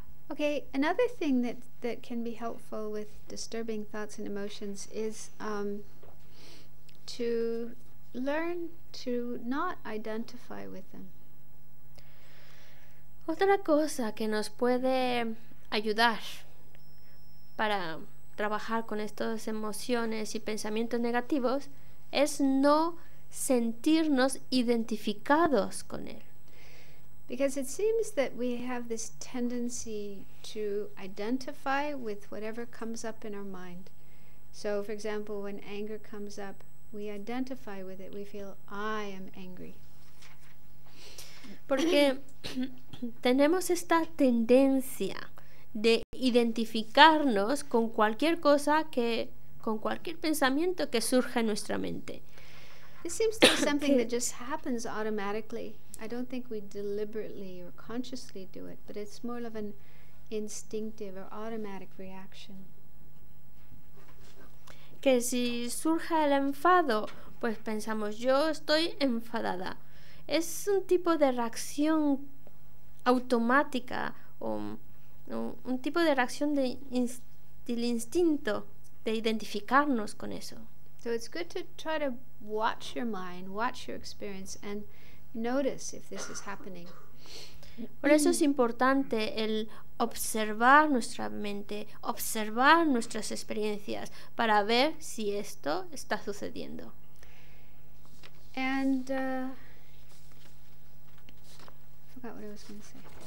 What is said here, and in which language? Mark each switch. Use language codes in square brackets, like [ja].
[en] Okay, another thing that can be helpful with disturbing thoughts and emotions is to learn to not identify with them. [es] Otra cosa que nos puede ayudar para trabajar con estas emociones y pensamientos negativos es no sentirnos identificados con él. [en] Because it seems that we have this tendency to identify with whatever comes up in our mind. So, for example, when anger comes up, we identify with it. We feel, I am angry. [es] Porque tenemos esta tendencia de identificarnos con cualquier cosa que, con cualquier pensamiento que surja en nuestra mente. [en] This seems to be something that just happens automatically. I don't think we deliberately or consciously do it, but it's more of an instinctive or automatic reaction. [es] Que si surja el enfado, pues pensamos, yo estoy enfadada. Es un tipo de reacción automática o un tipo de reacción del instinto de identificarnos con eso. [en] So it's good to try to watch your mind, watch your experience, and notice if this is happening. [es] Por eso es importante el observar nuestra mente, observar nuestras experiencias para ver si esto está sucediendo. [en] And I forgot what I was going to say.